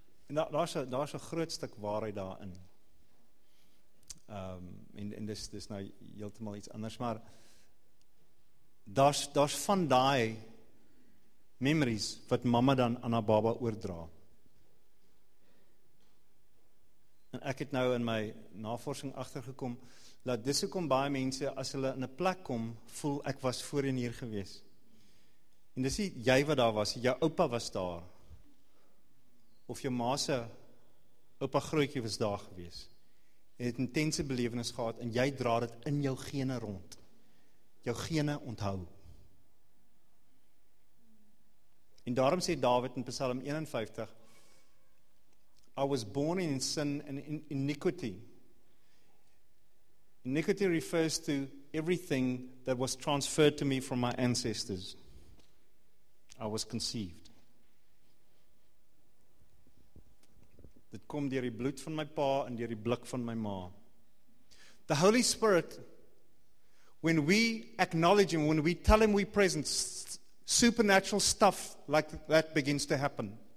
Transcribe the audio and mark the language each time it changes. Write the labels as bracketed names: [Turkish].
[Afrikaans] En daar is een groot stuk waarheid daarin. En dis is nou heeltemal iets anders, maar daar is van die memories wat mama dan aan haar baba oordra. En ek het nou in my navorsing agtergekom, dat dis hoekom baie mense, as hulle in 'n plek kom, voel ek was voorheen hier gewees. En dis nie jy wat daar was, jou oupa was daar, of jou ma se oupa grootjie was daar gewees. En het intense belewenis gehad, en jy dra dit in jou gene rond. Jou gene onthou. En daarom sê David in Psalm 51, [English] I was born in sin and in iniquity. Iniquity refers to everything that was transferred to me from my ancestors. I was conceived. [Afrikaans] Dit kom deur die bloed van my pa en deur die blik van my ma. [English] The Holy Spirit, when we acknowledge Him, when we tell Him we're present, supernatural stuff like that begins to happen.